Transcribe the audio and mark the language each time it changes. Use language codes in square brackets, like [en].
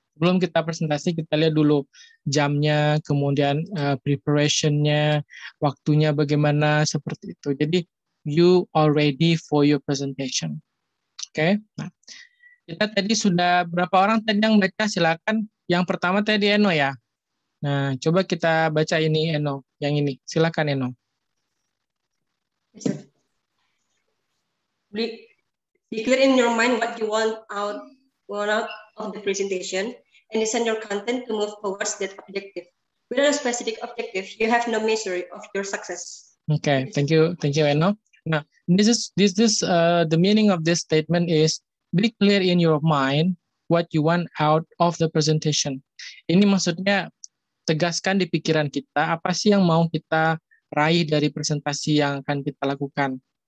[id] Sebelum kita presentasi, kita lihat dulu jamnya, kemudian preparation-nya, waktunya bagaimana, seperti itu. [en] Jadi, you are ready for your presentation. Oke. Okay? [id] Nah, kita tadi sudah berapa orang tadi yang baca? Silakan. Yang pertama tadi Eno ya. Nah, coba kita baca ini Eno, yang ini. Silakan Eno. [en] Be clear in your mind what you want out of the presentation and design your content to move towards that objective. Without a specific objective, you have no measure of your success. Okay, thank you Eno. Now, this is the meaning of this statement is be clear in your mind what you want out of the presentation. [id] Ini maksudnya tegaskan di pikiran kita apa sih yang mau kita raih dari presentasi yang akan kita lakukan.